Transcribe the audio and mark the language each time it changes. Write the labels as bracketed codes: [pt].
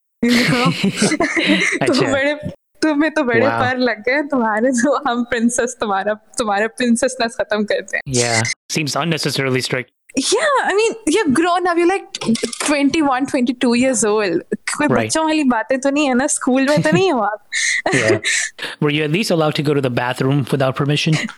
[hi] अच्छा. तो मेरे तुम्हें तो बड़े पैर लग गए तुम्हारे, तो हम प्रिंसेस तुम्हारा प्रिंसेसनेस खत्म करते हैं. [en] Yeah, seems unnecessarily strict. Yeah, I mean, you're grown up, you're like 21, 22 years old. [hi] कोई बच्चों वाली बातें तो नहीं है ना, स्कूल में तो नहीं हो आप. [en] Were you at least allowed to go to the bathroom without permission?